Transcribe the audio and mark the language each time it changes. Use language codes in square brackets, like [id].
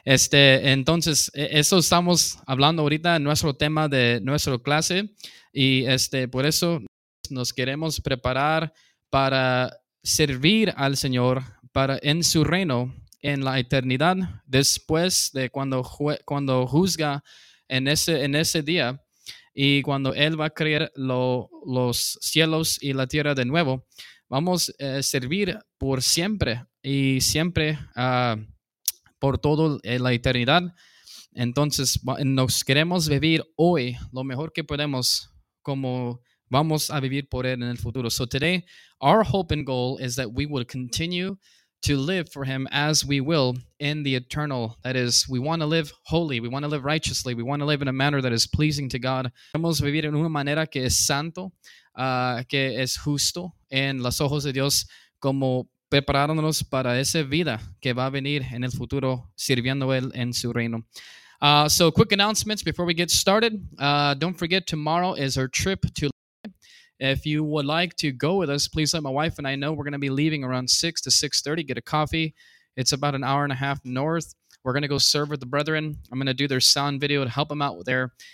[es] Entonces, eso estamos hablando ahorita en nuestro tema de nuestra clase, y por eso nos queremos preparar para servir al Señor para en su reino en la eternidad, después de cuando juzga en ese día, y cuando Él va a crear los cielos y la tierra de nuevo. Vamos a servir por siempre y siempre a por toda la eternidad. Entonces, nos queremos vivir hoy lo mejor que podemos, como vamos a vivir por él en el futuro. [en] So today, our hope and goal is that we will continue to live for him as we will in the eternal. That is, we want to live holy. We want to live righteously. We want to live in a manner that is pleasing to God. [es] Queremos vivir en una manera que es santo, que es justo en los ojos de Dios, como preparándonos para esa vida que va a venir en el futuro sirviendo él en su reino. [en] So quick announcements before we get started. Don't forget, tomorrow is our trip to London. If you would like to go with us, please let my wife and I know. We're going to be leaving around 6 to 6:30. Get a coffee. It's about an hour and a half north We're going to go serve with the brethren. I'm going to do their sound video to help them out there.